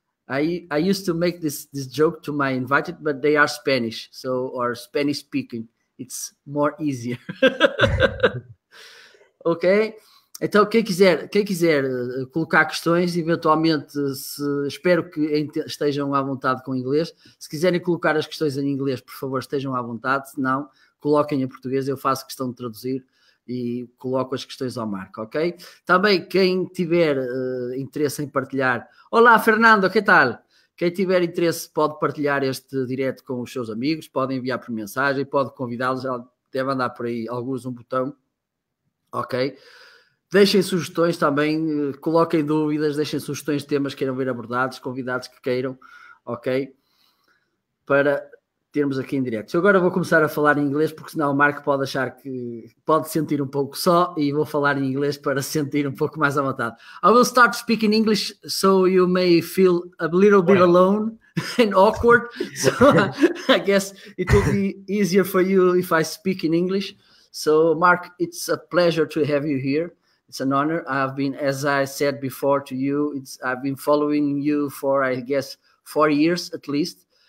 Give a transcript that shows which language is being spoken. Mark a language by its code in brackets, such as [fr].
[en] I used to make this joke to my invited, but they are Spanish, so or Spanish speaking. It's more easier. Okay. [pt] Então, quem quiser colocar questões, eventualmente, espero que estejam à vontade com o inglês. Se quiserem colocar as questões em inglês, por favor, estejam à vontade. Se não, coloquem em português. Eu faço questão de traduzir e coloco as questões ao Marc, ok? Também, quem tiver interesse em partilhar... Olá, Fernando, que tal? Quem tiver interesse pode partilhar este direto com os seus amigos, pode enviar por mensagem, pode convidá-los. Deve andar por aí alguns um botão, ok? Deixem sugestões também, coloquem dúvidas, deixem sugestões de temas que queiram ver abordados, convidados que queiram, ok? Para termos aqui em direto. Eu agora vou começar a falar em inglês, porque senão o Marc pode achar que pode sentir um pouco só, e vou falar em inglês para sentir um pouco mais à vontade. [en] I will start speaking English so you may feel a little bit alone and awkward. So I guess it will be easier for you if I speak in English. So Marc, it's a pleasure to have you here. It's an honor. I've been, as I said before to you, I've been following you for, I guess, 4 years at least.